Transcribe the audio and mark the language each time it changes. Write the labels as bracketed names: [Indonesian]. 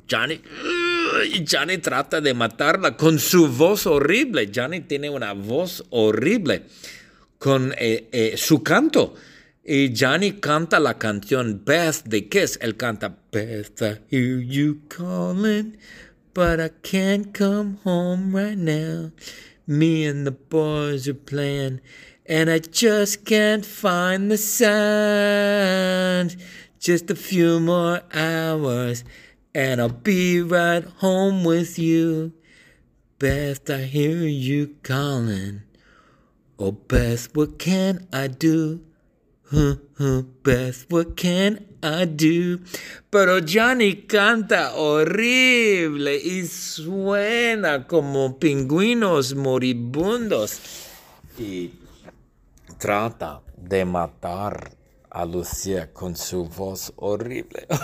[Spanish] Johnny trata de matarla con su voz horrible. Johnny tiene una voz horrible con su canto. Y Johnny canta la canción Beth de Kiss. Él canta, [English] Beth, I hear you calling, but I can't come home right now. Me and the boys are playing, and I just can't find the sound. Just a few more hours, and I'll be right home with you. Beth, I hear you calling. Oh, Beth, what can I do? Beth, what can I do? [Spanish] Pero Johnny canta horrible y suena como pingüinos moribundos. Y trata de matar a Lucía con su voz horrible.